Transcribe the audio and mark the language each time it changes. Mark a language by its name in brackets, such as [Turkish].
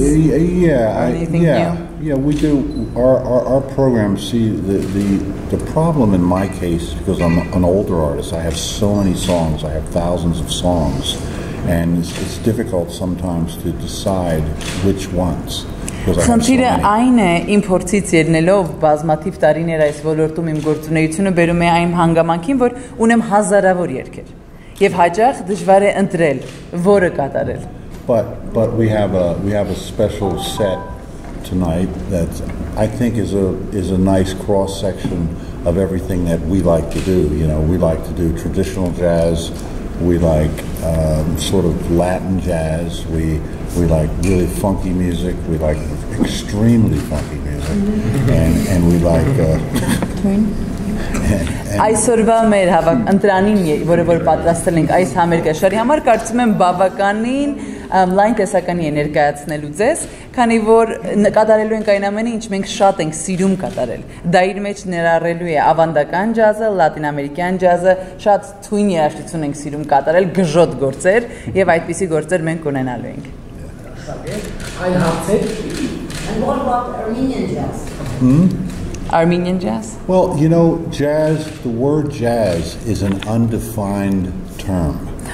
[English] We do our program. See, the problem in my case, because I'm an older artist, I have so many songs, I have thousands of songs, and it's difficult sometimes to decide which ones. [Armenian] Խնդիրը այն է, իմ փորձից ելնելով բազմաթիվ տարիներ այս ոլորտում իմ գործունեությունը բերում է այն հանգամանքին, որ ունեմ հազարավոր երգեր եւ հաճախ դժվար է ընտրել որը կատարել։ [English] But we have a special set tonight that I think is a nice cross section of everything that we like to do. You know, we like to do traditional jazz, we like sort of Latin jazz, we like really funky music, we like extremely funky music, and we like [Armenian] այսօրվա մեր ընտրանին որը որ պատրաստել ենք այս համերգաշարի համար կարծում եմ բավականին լայն տեսականի է ներկայացնելու ձեզ, քանի որ կատարելու ենք այն ամենը, ինչ մենք շատ ենք սիրում կատարել։ Դա իր մեջ ներառելու է ավանդական ջազը, լատինամերիկյան ջազը, շատ թույն երաժշտություն ենք սիրում կատարել, գժոտ գործեր, եւ այդպիսի գործեր մենք կունենալու ենք։ [English] Armenian jazz? Well, you know, jazz, the word jazz is an undefined term.